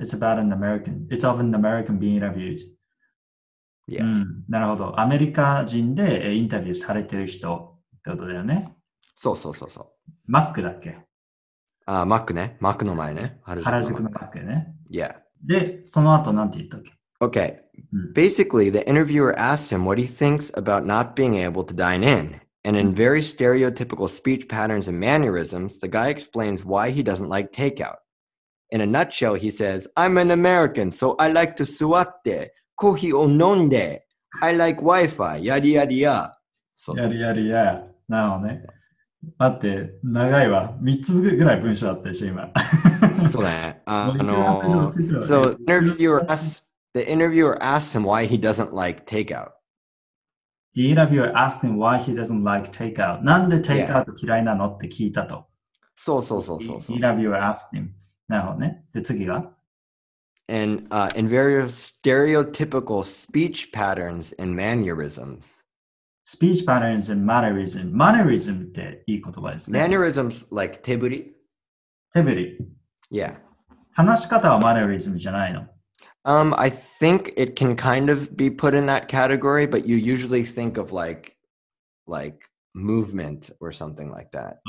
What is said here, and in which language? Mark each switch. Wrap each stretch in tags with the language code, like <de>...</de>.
<en>It's about an American. It's of an American being interviewed. Yeah.</en> <ja>なるほど。アメリカ人でインタビューされてる人ってことだよね。そうそうそうそう。マックだっけ？あ、マックね。マックの前ね。原宿のマックね。</ja> <en>Yeah.</en> <ja>で、その後なんて言ったっけ？</ja> <en>Okay. Basically, the interviewer asked him what he thinks about not being able to dine in. And in very stereotypical speech patterns and mannerisms, the guy explains why he doesn't like takeout. In a nutshell, he says, I'm an American, so I like to</en> <ja>suatte, kohi o nonde,</ja> <en>I like Wi-Fi, yadi yadi ya.</en> <ja>Yadi yadi ya. なるほどね。待って、長いわ。 3つぐらい文章あったでしょ、今。そうだね。</ja> <en>So, the interviewer asks him why he doesn't like takeout. The interviewer asked him why he doesn't like takeout.</en> <ja>なんでテイクアウト嫌いなのって聞いたと。そうそうそうそう。</ja> <en>The interviewer asked him.</en> <ja>なるほどね。で、次が</ja> <en>And, in various stereotypical speech patterns and mannerisms. Speech patterns and mannerisms. Mannerism</en> <ja>っていい言葉ですね。</ja> <en>Mannerisms like 手振り。</en> <ja>手振り。</ja> <en>Yeah.</en> <ja>話し方はマネリズムじゃないの。</ja> <en>I think it can kind of be put in that category, but you usually think of like movement or something like that.</en>